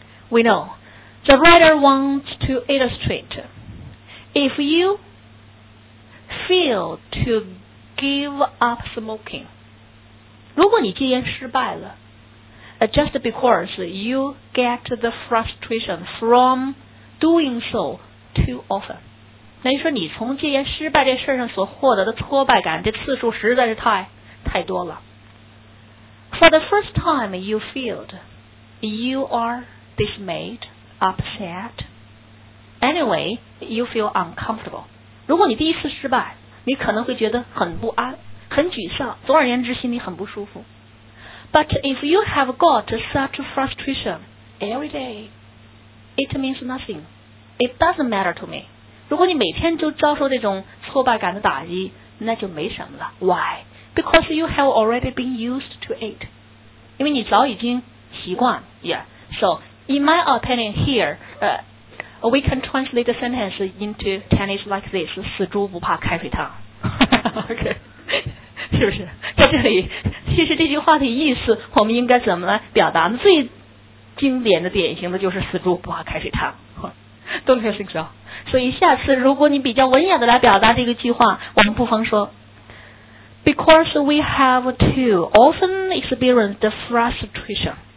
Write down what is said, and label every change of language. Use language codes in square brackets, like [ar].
[en] We know, the writer wants to illustrate, if you fail to give up smoking, [zh] 如果你戒烟失败了 [en] just because you get the frustration from doing so too often. [zh] 那你说你从戒烟失败这事上所获得的挫败感这次数实在是太多了。 [en] For the first time you failed, you are dismayed, upset. Anyway, you feel uncomfortable. [zh] 如果你第一次失败，你可能会觉得很不安，很沮丧，总而言之，心里很不舒服。 [en] But if you have got such frustration every day, it means nothing. It doesn't matter to me. [zh] 如果你每天就遭受这种挫败感的打击，那就没什么了。 [en] Why? Because you have already been used to it. [zh] 因为你早已经习惯了 Yeah. [en] So, in my opinion here, we can translate the sentence into Chinese like this. [zh] 死猪不怕开水烫。Okay. 是不是？在这里，其实这句话的意思我们应该怎么来表达呢？最经典的典型的就是死猪不怕开水烫。 [en] Don't you think so? [zh] 所以下次如果你比较文雅的来表达这个句话，我们不妨说 [en] Because we have too often experienced the frustration.